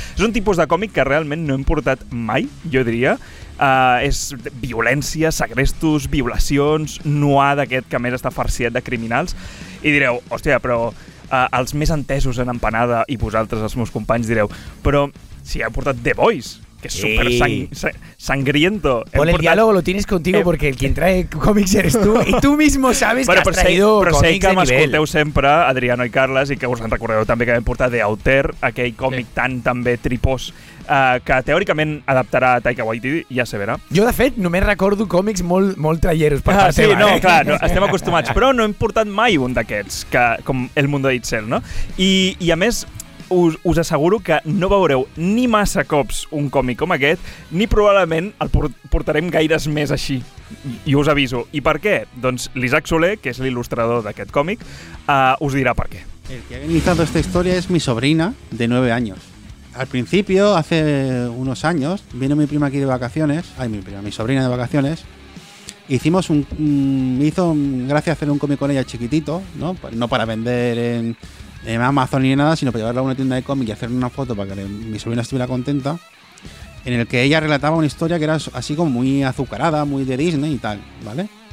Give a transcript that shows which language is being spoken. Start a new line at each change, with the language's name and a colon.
Catalan: És un tipus de còmic que realment no hem portat mai, jo diria. És violència, segrestos, violacions, noir d'aquest que a més està farciat de criminals. I direu, hòstia, però els més entesos en Empanada i vosaltres, els meus companys, direu, però si hem portat The Boys...
Spanish: Que es súper sangriento. Pon el diálogo, lo tienes contigo, porque el quien trae cómics eres tú. Y tú mismo sabes bueno, que has traído cómics de nivel.
Catalan: Però sé que m'escolteu sempre, Adriano i Carles, i que us en recordeu també que vam portar The Outer, aquell còmic tan també tripós, que teòricament adaptarà a Taika Waititi, ja se verà. Jo, de fet, només recordo còmics molt traieros. Estem acostumats, però no hem portat mai un d'aquests, com El Mundo de Itzel, no? I a més... Us asseguro que no veureu ni massa cops un còmic com aquest, ni probablement el portarem gaires més així. I us aviso. I per què? Doncs l'Isaac Soler, que és l'il·lustrador d'aquest còmic, us dirà per què.
Spanish: El que ha organizado esta historia es mi sobrina de 9 años. Al principio, hace unos años, vino mi prima aquí de vacaciones, mi sobrina de vacaciones, hicimos un... me hizo gracia hacer un cómic con ella chiquitito, ¿no? No para vender en Amazon ni nada, sino para llevarla a una tienda de cómics y hacer una foto para que mi sobrina estuviera contenta, en el que ella relataba una historia que era así como muy azucarada, muy de Disney y tal, ¿vale?